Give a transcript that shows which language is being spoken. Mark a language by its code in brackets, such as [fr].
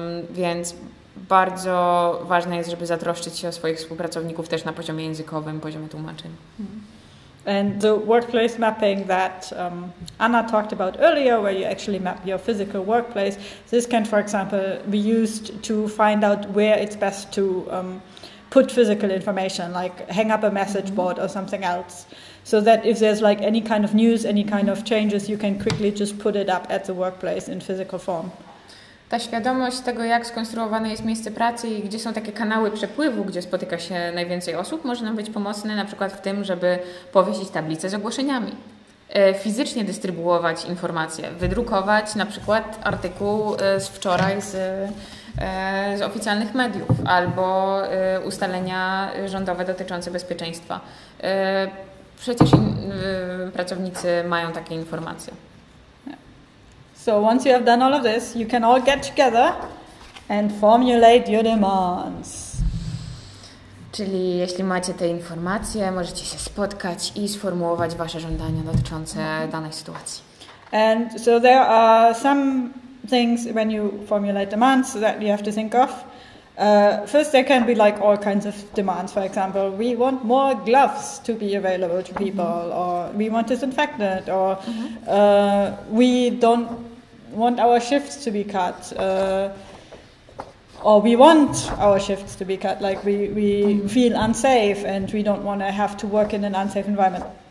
[pl] Więc bardzo ważne jest, żeby zatroszczyć się o swoich współpracowników też na poziomie językowym, poziomie tłumaczeń. [en] And the workplace mapping that Anna talked about earlier, where you actually map your physical workplace, this can, for example, be used to find out where it's best to put physical information, like hang up a message board or something else, so that if there's like any kind of news, any kind of changes, you can quickly just put it up at the workplace in physical form. [pl] Ta świadomość tego, jak skonstruowane jest miejsce pracy i gdzie są takie kanały przepływu, gdzie spotyka się najwięcej osób, może nam być pomocne na przykład w tym, żeby powiesić tablicę z ogłoszeniami. Fizycznie dystrybuować informacje, wydrukować na przykład artykuł z wczoraj z oficjalnych mediów albo ustalenia rządowe dotyczące bezpieczeństwa. Przecież pracownicy mają takie informacje. [en] So once you have done all of this, you can all get together and formulate your demands. [pl] Czyli jeśli macie te informacje, możecie się spotkać i sformułować wasze żądania dotyczące danej sytuacji. [en] And so there are some things when you formulate demands that you have to think of. First, there can be like all kinds of demands. For example, we want more gloves to be available to people, or we want disinfectant, or we don't want our shifts to be cut, or we want our shifts to be cut, like we feel unsafe and we don't want to have to work in an unsafe environment.